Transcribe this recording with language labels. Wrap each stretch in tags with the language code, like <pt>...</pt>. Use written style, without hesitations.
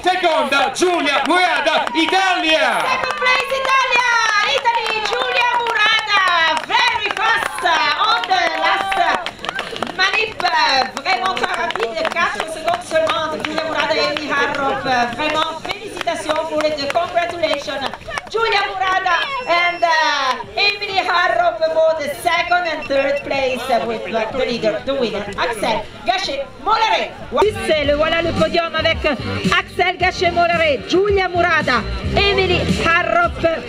<it>Seconda, Giulia Murada, Italia!</it> <en>Second place, Italia! Italy, Giulia Murada! Very fast on the last manip!</en> <fr>Vraiment très rapide, 4 secondes seulement entre Giulia Murada et Harrop. Vraiment.</fr> <en>Congratulations, Giulia Murada and Emily Harrop for the second and third place with the leader, the winner, Axelle Gachet-Mollaret.</en> <fr>Voilà le podium avec Axelle Gachet-Mollaret, Giulia Murada, Emily Harrop.</fr>